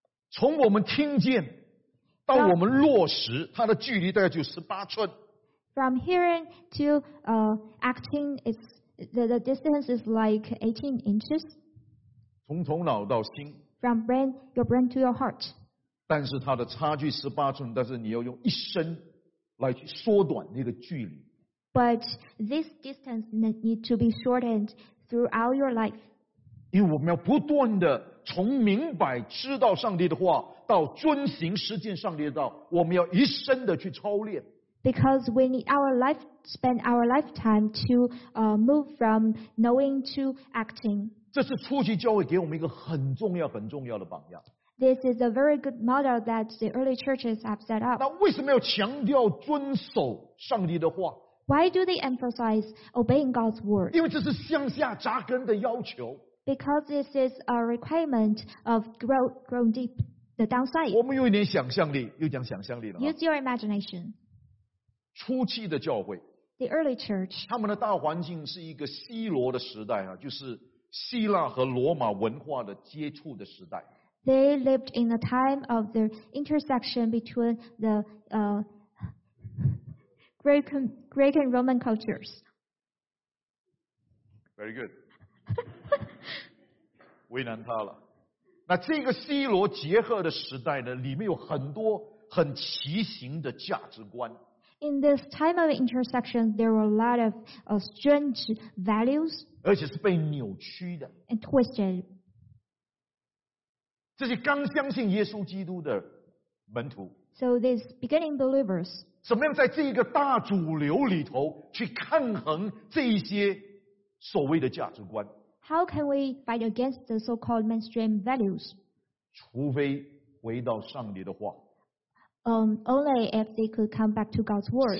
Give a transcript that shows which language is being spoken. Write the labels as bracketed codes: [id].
[zh] 从我们听见到我们落实，它的距离大概就18寸。 [en] From hearing to acting, it's the distance is like 18 inches. [zh] 从头脑到心。 [en] From brain, your brain to your heart. [zh] 但是它的差距18寸，但是你要用一生来去缩短那个距离。 [en] But this distance need to be shortened throughout your life. [zh] 因为我们要不断的从明白知道上帝的话到遵行实践上帝的道，我们要一生的去操练。 [en] Because we need our life, spend our lifetime to move from knowing to acting. [zh] 这是初期教会给我们一个很重要很重要的榜样。 [en] This is a very good model that the early churches have set up. [zh] 那为什么要强调遵守上帝的话？ [en] Why do they emphasize obeying God's word? [zh] 因为这是向下扎根的要求。 [en] Because this is a requirement of growing deep, the downside. [zh] 我们用一点想象力，又讲想象力了。 [en] Use your imagination. [zh] 初期的教会。 [en] The early church. [zh] 他们的大环境是一个希罗的时代，就是希腊和罗马文化的接触的时代。 [en] They lived in a time of the intersection between the Greek and Roman cultures. Very good. [zh] 为难他了。那这个C罗结合的时代呢，里面有很多很奇形的价值观。 [en] In this time of intersection, there were a lot of strange values. [zh] 而且是被扭曲的。 [en] And twisted. [zh] 这些刚相信耶稣基督的门徒。 [en] So these beginning believers. [zh] 怎么样在这个大主流里头去抗衡这些所谓的价值观？ [en] How can we fight against the so-called mainstream values? [zh] 除非回到上帝的话。 [en] Only if they could come back to God's word.